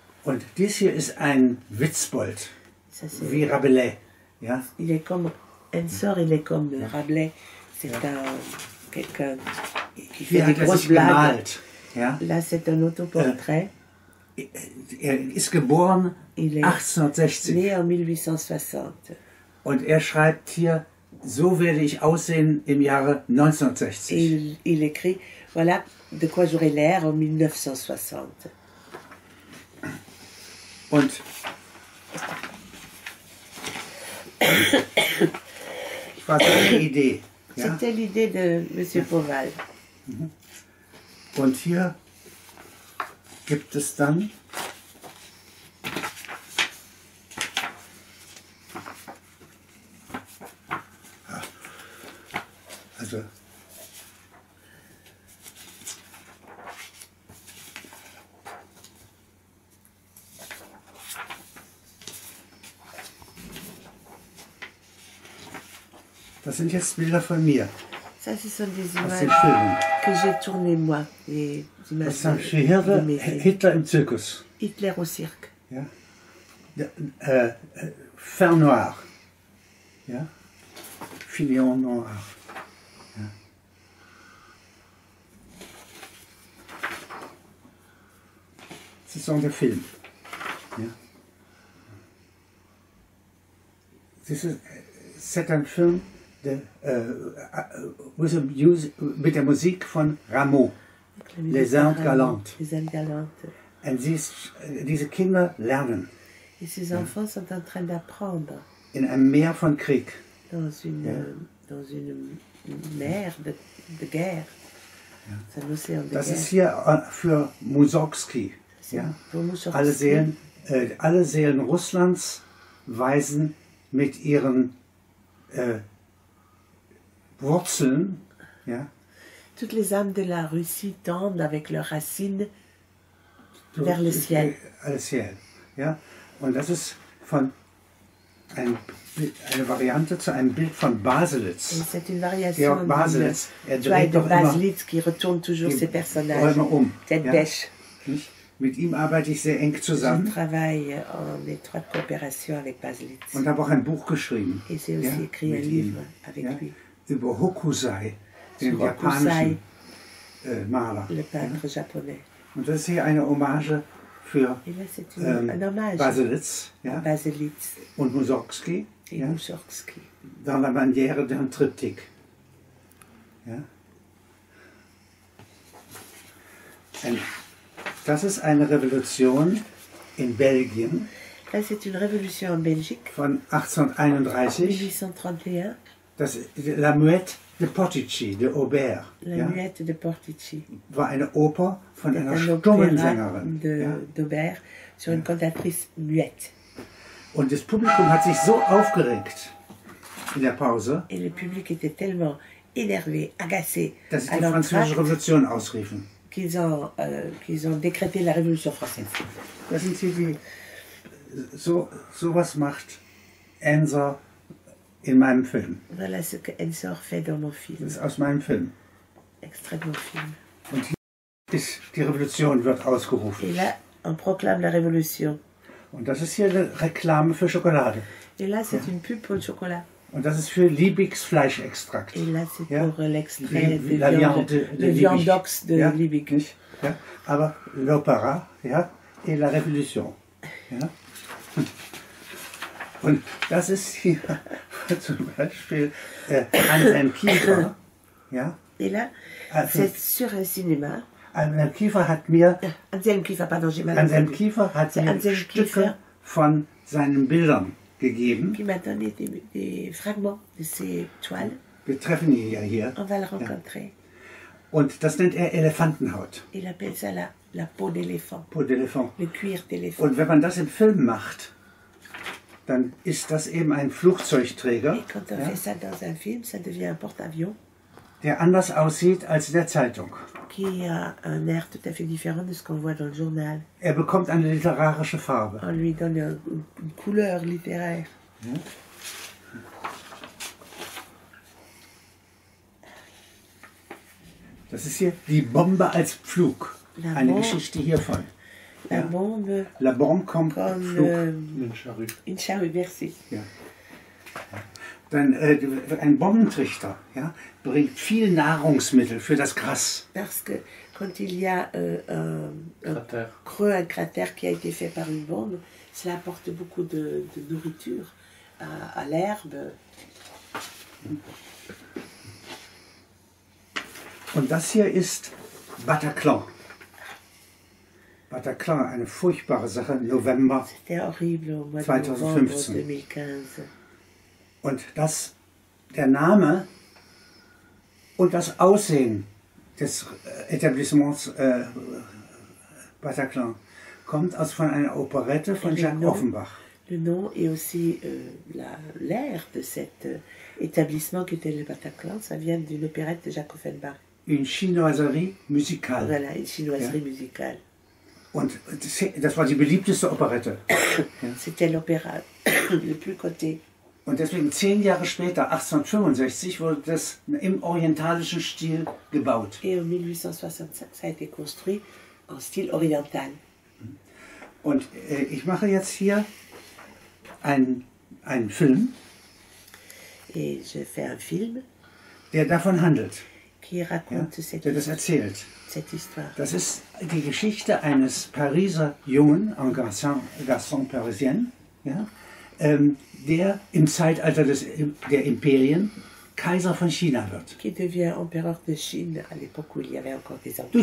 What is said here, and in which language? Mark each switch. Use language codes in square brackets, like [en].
[de] Und dies hier ist ein Witzbold. Wie Rabelais. Ja? [fr] Il est comme, un sort, il est comme ja. Rabelais. C'est ja. Un, quelqu'un qui fait des grosses blagues. [de] Gemalt. Ja? [fr] Là, c'est un autoportrait. [de] Er ist geboren 1860. [fr] Né en 1860. [de] Und er schreibt hier, so werde ich aussehen im Jahre 1960. [fr] Il écrit, voilà de quoi j'aurai l'air en 1960. [de] Und was war die Idee? Ja? [fr] C'était l'idée de Monsieur Pauval. [de] Und hier gibt es dann also das sind jetzt Bilder von mir. [fr] Ça, ce sont des images que j'ai tournées moi. Les images de mes films. [de] Hitler im Zirkus. [fr] Hitler au cirque. [de] Ja. [fr] Fer noir. Ja. Filion noir. Ja. Ce sont des films. Ja. C'est un film. [de] Mit der Musik von Rameau, Les Indes Galantes. Und diese Kinder lernen. [fr] Et ces enfants sont en train d'apprendre. [de] In einem Meer von Krieg. [fr] Dans une, ja. Dans une mer de guerre. [de] Ja. Das guerre. Ist hier für Mussorgsky. Ja. Alle Seelen Russlands weisen mit ihren Wurzeln, ja. [fr] Toutes les âmes de la Russie tendent avec leurs racines vers le ciel. Le ciel, ja. [de] Und das ist von eine Variante zu einem Bild von Baselitz. [fr] Et c'est une variation Georg Baselitz. De Baselitz qui retourne toujours ses personnages. Tête bêche. [de] Mit ihm arbeite ich sehr eng zusammen. [fr] Je travaille en étroite coopération avec Baselitz. [de] Und habe auch ein Buch geschrieben. [fr] Et j'ai aussi écrit un livre avec lui. [de] Über Hokusai, den japanischen Maler. [fr] Le peintre japonais. [de] Und das ist hier eine Hommage für Baselitz, ja? Baselitz und Mussorgsky. Ja? Mussorgsky. [fr] Dans la manière d'un triptyque. [de] Ja? Das ist eine Revolution in Belgien. [fr] Là, c'est une révolution en Belgique. [de] Von 1831. Das, [fr] La Muette de Portici, de Aubert. La ja, Muette de Portici. [de] War eine Oper von einer stummen Sängerin. [fr] De, ja. D'Aubert, sur une cantatrice muette. [de] Und das Publikum hat sich so aufgeregt in der Pause. [fr] Et le public était tellement énervé, agacé, [de] dass sie die französische Revolution ausriefen. [fr] Qu'ils ont décrété la Révolution française. [de] Das sind sie, die sowas macht Enza. In meinem Film. [fr] Voilà ce que Ensor fait dans mon film. [de] Das ist aus meinem Film. [fr] Extrait de mon film. [de] Und hier ist die Revolution wird ausgerufen. [fr] Et là, on proclame la révolution. [de] Und das ist hier eine Reklame für Schokolade. [fr] Et là, c'est ja. Une pub pour le chocolat. [de] Und das ist für Liebigs Fleischextrakt. [fr] Et là, c'est ja. Pour l'extrait de Viandox de [de] ja. Liebig. Ja. [fr] Aber l'opéra, ja, et la révolution. [de] Ja. Und das ist hier zum Beispiel Anselm Kiefer. Ja? [fr] Et là, also, c'est sur un cinéma. [de] Anselm Kiefer hat mir. [fr] Anselm Kiefer, pardon, j'ai mal entendu. [de] Anselm Kiefer hat mir Anselm Stücke Kiefer von seinen Bildern gegeben. [fr] Qui m'a donné des fragments de ses toiles. [de] Wir treffen ihn ja hier. [fr] On va le rencontrer. Ja. [de] Und das nennt er Elefantenhaut. [fr] Il appelle ça la peau d'éléphant. Peau d'éléphant. Le cuir d'éléphant. [de] Und wenn man das im Film macht, dann ist das eben ein Flugzeugträger. [fr] Quand on ja. Fait ça dans un film, ça devient un porte-avions. [de] der anders aussieht als in der Zeitung. [fr] Qui a un air tout à fait différent de ce qu'on voit dans le journal. [de] Er bekommt eine literarische Farbe. [fr] On lui donne une couleur littéraire. [de] Das ist hier die Bombe als Pflug. Eine Geschichte hiervon. [fr] La bombe. La bombe comme Pflug. Une charrue, merci. [de] Ja. Dann ein Bombentrichter, ja, bringt viel Nahrungsmittel für das Gras. [fr] Parce que quand il y a un cratère qui a été fait par une bombe, cela apporte beaucoup de nourriture à l'herbe. [de] Und das hier ist Bataclan. Bataclan, eine furchtbare Sache, November 2015. Und das, der Name und das Aussehen des Etablissements Bataclan kommt aus von einer Operette von Jacques Offenbach. [fr] Le nom et aussi l'air de cet établissement qui était le Bataclan, ça vient d'une opérette de Jacques Offenbach. Une chinoiserie musicale. Voilà, une chinoiserie musicale. [de] Und das war die beliebteste Operette. [fr] C'était l'opéra le plus coté. [de] Und deswegen 10 Jahre später, 1865, wurde das im orientalischen Stil gebaut. [fr] Et en 1865, ça a été construit en style oriental. [de] Und ich mache jetzt hier einen Film. [fr] Et je fais un film. [de] Der davon handelt. [fr] Qui raconte [de] ja, der das erzählt. [fr] Cette histoire. [de] Das ist die Geschichte eines Pariser Jungen, [fr] un garçon parisien, [de] ja, der im Zeitalter der Imperien Kaiser von China wird. [fr] Qui devient empereur de Chine à l'époque où il y avait encore des empires.